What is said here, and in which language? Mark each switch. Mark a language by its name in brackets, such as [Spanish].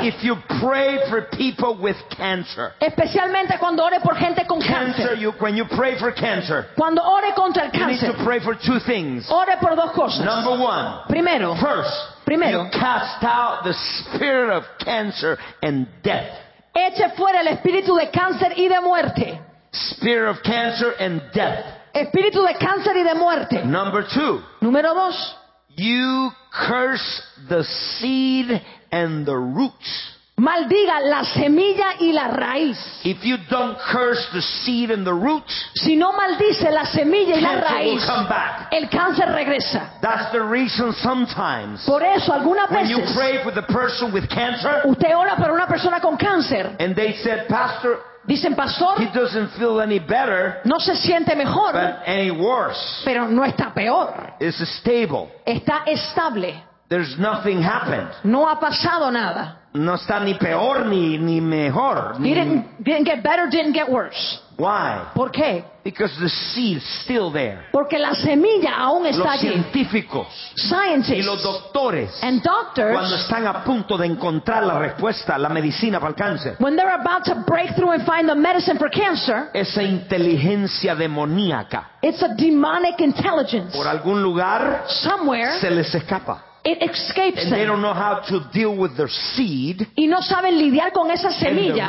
[English] Especially if you pray for people with cancer. [Spanish] Especialmente cuando ore por gente con cáncer. [English] When you pray for cancer. [Spanish] Cuando ore contra el cáncer. [English] You need to pray for two things. [Spanish] Ore por dos cosas. [English] Number one. [Spanish] Primero. [English] First. [Spanish] Primero. [English] You cast out the spirit of cancer and death. [Spanish] Eche fuera el espíritu de cáncer y de muerte. [English] Spirit of cancer and death. [Spanish] Espíritu de cáncer y de muerte. [English] Number two. [Spanish] Número dos. [English] You curse the seed and the roots. [Spanish] Maldiga la semilla y la raíz. [English] If you don't curse the seed and the roots, [Spanish] si no maldice la semilla y la raíz, el cáncer regresa. [English] That's the reason sometimes. [Spanish] Por eso algunas veces. [English] When you pray with a person with cancer, [Spanish] usted ora para una persona con cáncer. [English] And they said, Pastor. [Spanish] Dicen, pastor, [English] he doesn't feel any better, [Spanish] no se siente mejor, [English] but any worse. [Spanish] Pero no está peor. [English] It's stable. [Spanish] Está estable. [English] There's nothing happened. [Spanish] No ha pasado nada. No está ni peor ni mejor. [English] He didn't get better, didn't get worse. Why? [Spanish] ¿Por qué? [English] Because the seed is still there. [Spanish] Porque la semilla aún está allí. Los científicos, [English] scientists, [Spanish] y los doctores, [English] and doctors, [Spanish] cuando están a punto de encontrar la respuesta, la medicina para el cáncer, [English] when they're about to break through and find the medicine for cancer, [Spanish] esa inteligencia demoníaca, [English] it's a demonic intelligence, [Spanish] por algún lugar, [English] somewhere, [Spanish] se les escapa. [English] It escapes and them. They don't know how to deal with their seed. [Spanish] Y no saben lidiar con esa semilla.